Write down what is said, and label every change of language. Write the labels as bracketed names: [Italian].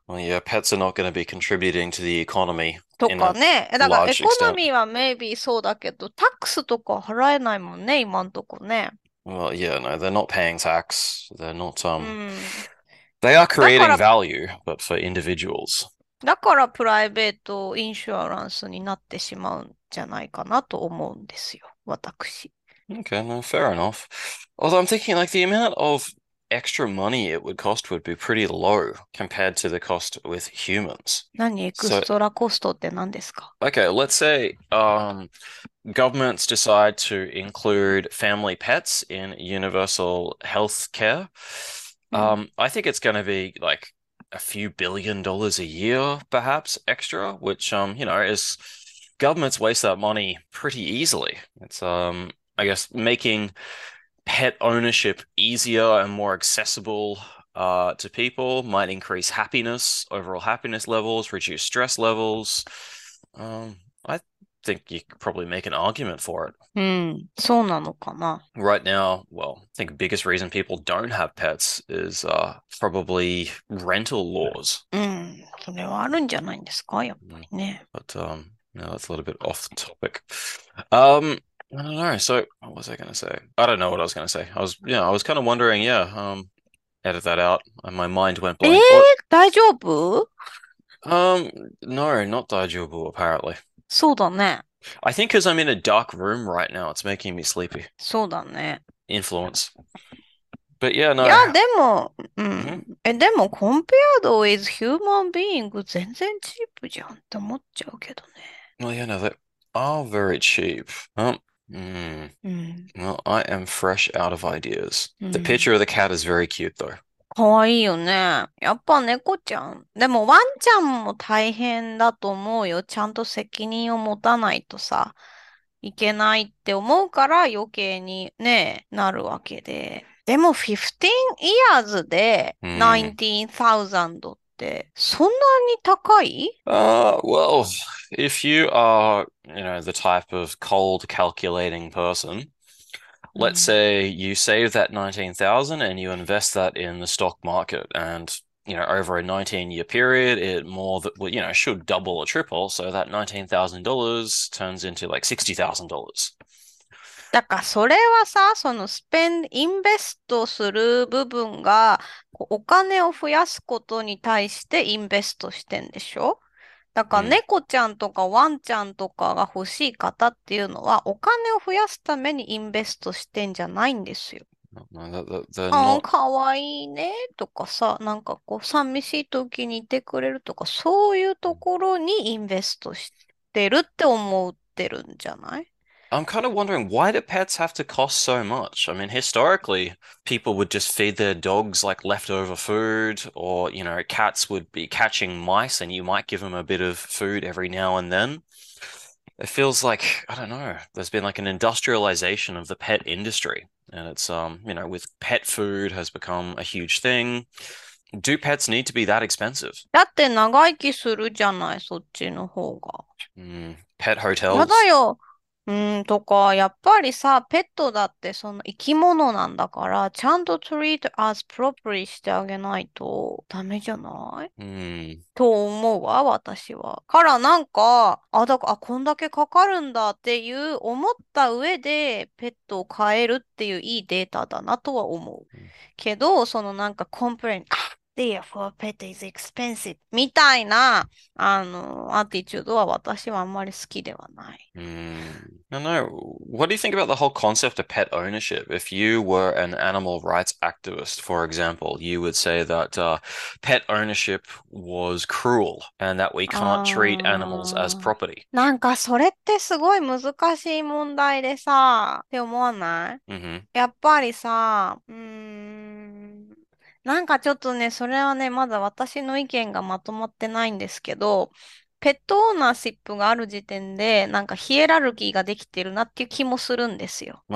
[English] Well, yeah, pets are not going to be contributing to the economy. [Japanese] とかね。だから、エコノミーは maybe そうだけど、タックスとか払えないもんね、今んとこね。 [English] Well, yeah, no, they're not paying tax. They're not, they are creating value, but for individuals. [Japanese] だから、プライベートインシュアランスになってしまうんじゃないかなと思うんですよ、私。 [English] Okay, no, fair enough. Although I'm thinking, like, the amount of extra money it would cost would be pretty low compared to the cost with humans. 何、エクストラコストって何ですか? Okay, let's say, governments decide to include family pets in universal health care. I think it's going to be, like, a few billion dollars a year, perhaps, extra, which, you know, is... Governments waste that money pretty easily. It's, I guess, making pet ownership easier and more accessible to people might increase happiness, overall happiness levels, reduce stress levels. I think you could probably make an argument for it. [Japanese] そうなのかな。 [English] Right now, well, I think the biggest reason people don't have pets is probably rental laws. [Japanese] それはあるんじゃないんですか、やっぱりね。 [English] But no, that's a little bit off the topic. I don't know. So, what was I going to say? I don't know what I was going to say. I was kind of wondering. Edit that out. And my mind went え、 blank. What? [Japanese] 大丈夫？ [English] No, not Daijoubu, apparently. [Japanese] そうだね。 [English] I think because I'm in a dark room right now, it's making me sleepy. [Japanese] そうだね。 [English] Influence. But yeah, [Japanese] いや、 [English] no. [Japanese] でも、でも、 [English] compared with human being、 [Japanese] 全然チープじゃんって思っちゃうけど [English] Well, yeah, no, they are very cheap. [Japanese] ね。 [English] Well, I am fresh out of ideas. The picture of the cat is very cute, though. [Japanese] かわいいよね。やっぱ猫ちゃん。でもワンちゃんも大変だと思うよ。ちゃんと責任を持たないとさ、いけないって思うから余計にね、なるわけで。でも15 years で19,000ってそんなに高い？ [English] Well, if you are, the type of cold calculating person, let's say you save that 19,000 and you invest that in the stock market, and over a 19-year period, it more that well, should double or triple, so that $19,000 turns into like $60,000. [Japanese] だからそれはさ、そのスペン、インベストする部分が、お金を増やすことに対してインベストしてんでしょ？だから猫ちゃんとかワンちゃんとかが欲しい方っていうのは、お金を増やすためにインベストしてんじゃないんですよ。 [English] They're ああ、 not. [Japanese] かわいいねとかさ、なんかこう、寂しい時にいてくれるとか、そういうところにインベストしてるって思ってるんじゃない？ [English] I'm kind of wondering why do pets have to cost so much? I mean, historically, people would just feed their dogs like leftover food, or cats would be catching mice and you might give them a bit of food every now and then. It feels like, I don't know, there's been like an industrialization of the pet industry. And it's with pet food has become a huge thing. Do pets need to be that expensive? [Japanese] だって長生きするじゃない、そっちの方が。 [English] Pet [Japanese] やだ [English] hotels. [Japanese] よ。とか、やっぱりさ、ペットだってその生き物なんだから、ちゃんと [English] treat us properly [Japanese] してあげないとダメじゃない？と思うわ、私は。から、なんか、こんだけかかるんだっていう思った上で、ペットを飼えるっていういいデータだなとは思う。けど、そのなんかコンプレイン、 [English] Therefore, pet is expensive. [Japanese] みたいな、アティチュードは私はあんまり好きではない。 [English] I know. What do you think about the whole concept of pet ownership? If you were an animal rights activist, for example, you would say that pet ownership was cruel and that we can't treat animals as property. [Japanese] なんかそれってすごい難しい問題でさ、って思わない？やっぱりさ、なんかちょっとね、それはね、まだ私の意見がまとまってないんですけど、ペットオーナーシップがある時点で、なんかヒエラルキーができてるなっていう気もするんですよ。